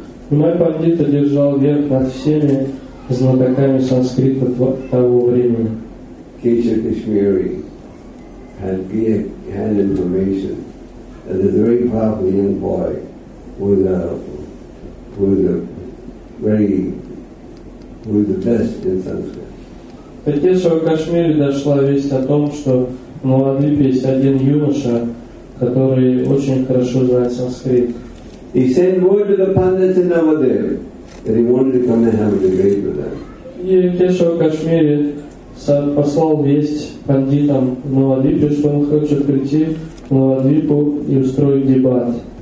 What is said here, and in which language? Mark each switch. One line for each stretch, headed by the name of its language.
Russian: И Майя Пандита держал верх над всеми знатоками санскрита того времени.
English: Кешава Кашмири had information. And this very powerful young boy who was the best in Sanskrit.
Russian: От Кешава Кашмири дошла весть о том, что в Навадвипе есть один юноша, который очень хорошо знает санскрит.
English: He sent word to the pandits in Navadvipa that he wanted to come and have a debate with them.
Russian: И Кешава Кашмири послал весть пандитам в Навадвипе, что он хочет прийти на Навадвипу и устроить дебат.